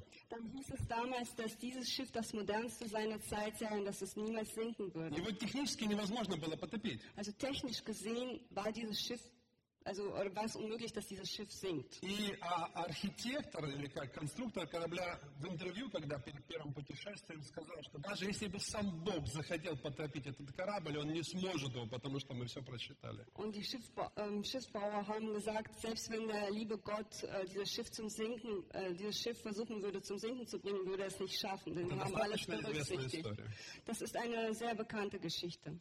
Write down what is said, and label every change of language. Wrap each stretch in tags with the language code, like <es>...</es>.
<de>dann hieß es damals, dass dieses Schiff das modernste seiner Zeit sei und dass es niemals sinken würde. Also technisch gesehen war dieses Schiff, also war es unmöglich, dass dieses Schiff sinkt.</de> <ru>Architektor или конструктор корабля в интервью, когда перед первым путешествием сказал, что даже если бы сам Бог захотел потопить этот корабль, он не сможет его, потому что мы все просчитали.</ru> <de>Und die Schiffsbauer haben gesagt, selbst wenn der liebe Gott dieses Schiff versuchen würde zum Sinken zu bringen, würde es nicht schaffen, denn wir haben alles berücksichtigt. Das ist eine sehr bekannte Geschichte.</de>